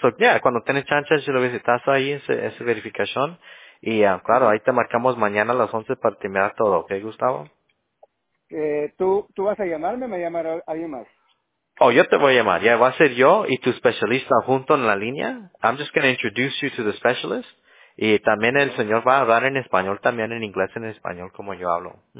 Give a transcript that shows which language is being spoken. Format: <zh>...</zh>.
<es>So, yeah, cuando tienes chance, si lo visitas ahí, esa verificación, y claro, ahí te marcamos mañana a las 11 para terminar todo, okay, Gustavo? ¿Tú vas a llamarme o me llamará alguien más? Oh, yo te voy a llamar, yeah, va a ser yo y tu especialista junto en la línea.</es> <en>I'm just going to introduce you to the specialist.</en> <es>Y también el señor va a hablar en español, también en inglés, en español, como yo hablo.</es>